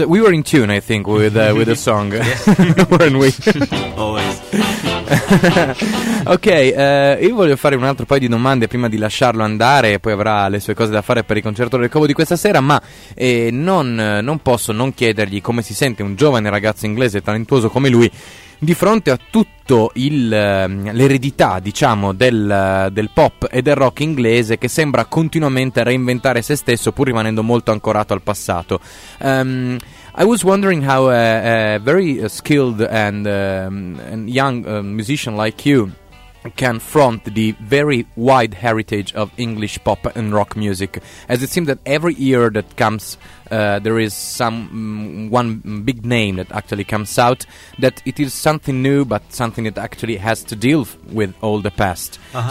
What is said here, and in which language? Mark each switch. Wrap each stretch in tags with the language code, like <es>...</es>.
<en>We were in tune, I think, with the song, weren't we? Always.</en> <it>Ok, io voglio fare un altro paio di domande prima di lasciarlo andare, poi avrà le sue cose da fare per il concerto del Covo di questa sera, ma non posso non chiedergli come si sente un giovane ragazzo inglese talentuoso come lui di fronte a tutto l'eredità, diciamo, del pop e del rock inglese, che sembra continuamente reinventare se stesso pur rimanendo molto ancorato al passato.</it> <en>I was wondering how a very skilled and young musician like you can front the very wide heritage of English pop and rock music, as it seems that every year that comes there is one big name that actually comes out, that it is something new but something that actually has to deal with all the past. Uh-huh.</en>